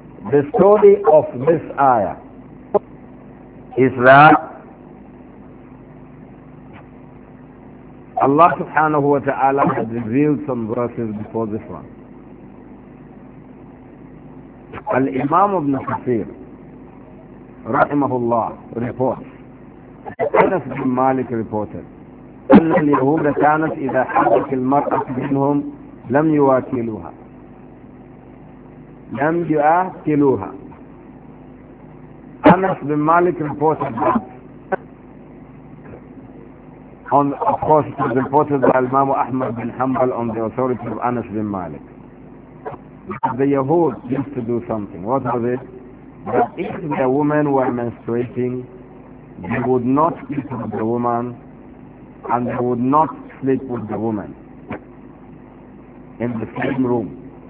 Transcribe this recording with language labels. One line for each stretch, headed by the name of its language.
English: The story of this ayah is that Allah subhanahu wa ta'ala had revealed some verses before this one. Al-Imam ibn Kathir rahimahullah reports, Anas ibn Malik reported,
Arabic: أن اليهود كانت إذا حدث المرأة منهم لم يواكلوها لم يواكلوها.
English: Anas ibn Malik reported that, on, of course it was reported by Imam Ahmad bin Hanbal on the authority of Anas ibn Malik. The Yahud used to do something. What was it? That if the women were menstruating, they would not eat with the woman and they would not sleep with the woman in the same room.